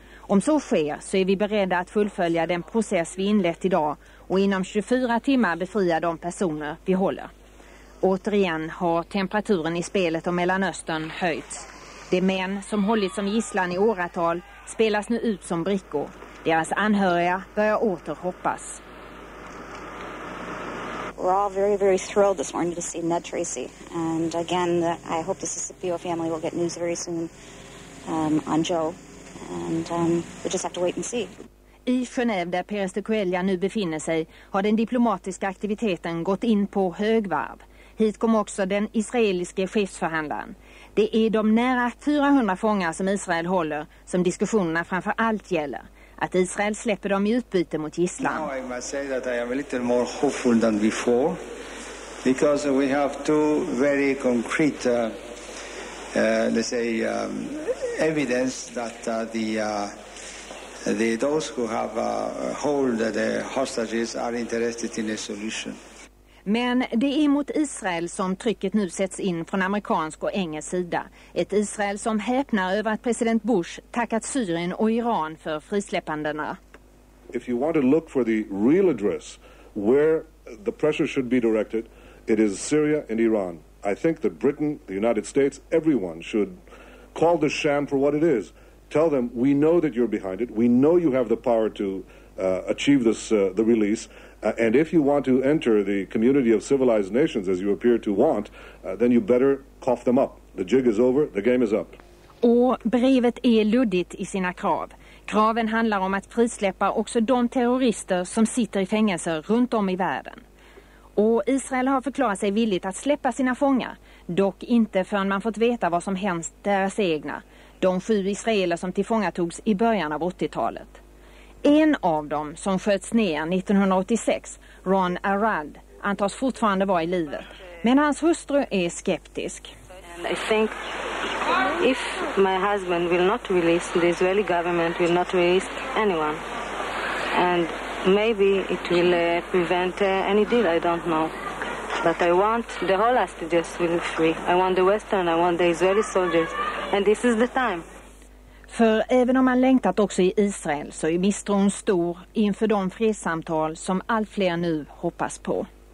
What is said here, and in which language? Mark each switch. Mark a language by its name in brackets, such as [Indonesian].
[Swedish] Om så sker så är vi beredda att fullfölja den process vi inlett idag och inom 24 timmar befria de personer vi håller. Återigen har temperaturen i spelet om Mellanöstern höjts. De män som hållit som gisslan i åratal spelas nu ut som brickor. Deras anhöriga börjar återhoppas. [English] We're all very, very thrilled this morning to see Ned Tracy. And again, I hope the Sisipio family will get news very soon on Joe. And we just have to wait and see. [Swedish] I Genève där Pérez de Cuellar nu befinner sig har den diplomatiska aktiviteten gått in på högvarv. Hit kom också den israeliske chefsförhandlaren. Det är de nära 400 fångar som Israel håller som diskussionerna framför allt gäller. Att Israel släpper dem i utbyte mot gisslan. [English] Now I must say that I am a little more hopeful than before. Because we have two very concrete, evidence that those who have hold the hostages are interested in a solution. [Swedish] Men det är mot Israel som trycket nu sätts in från amerikansk och engelsk sida. Ett Israel som häpnar över att president Bush tackat Syrien och Iran för frisläppandena. [English] If you want to look for the real address where the pressure should be directed, it is Syria and Iran. I think that Britain, the United States, everyone should call the sham for what it is. Tell them we know that you're behind it. We know you have the power to achieve this the release. And if you want to enter the community of civilized nations as you appear to want, then you better cough them up. The jig is over, the game is up. [Swedish] Och brevet är luddigt i sina krav. Kraven handlar om att frisläppa också de terrorister som sitter i fängelser runt om i världen. Och Israel har förklarat sig villigt att släppa sina fångar, dock inte förrän man fått veta vad som hänt deras egna, de 7 israeler som tillfångatogs i början av 80-talet. En av dem som sköts ner 1986, Ron Arad, antas fortfarande vara i livet. Men hans hustru är skeptisk. [English] I think if my husband will not release, the Israeli government will not release anyone. And maybe it will prevent any deal, I don't know. But I want the whole hostages will be free. I want the Western, I want the Israeli soldiers. And this is the time. [Swedish] För även om man längtat också i Israel så är misstron stor inför de fredssamtal som allt fler nu hoppas på.